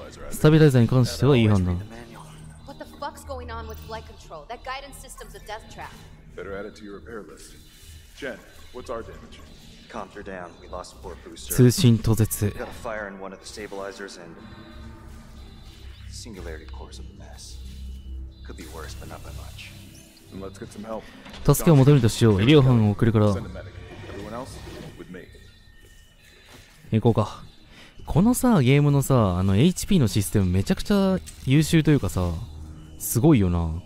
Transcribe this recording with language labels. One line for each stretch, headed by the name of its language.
Japanese: スタビライザーに関してはいい判断。
English: What the fuck's going on with flight control? That guidance system's a death trap. Better add it to your repair list. Jen, what's our damage? Calm her down. We lost four boosters.
Japanese: 通信途絶。
English: Got a fire in one of the stabilizers and singularity core's a mess. Could be worse, but not by much. And let's get some help.
Japanese: 助けを求めるとしよう。医療班を送るから。
English: Everyone else, with me.
Japanese: 行こうか。このさ、ゲームのさ、あの HP のシステムめちゃくちゃ優秀というかさ、すごいよな。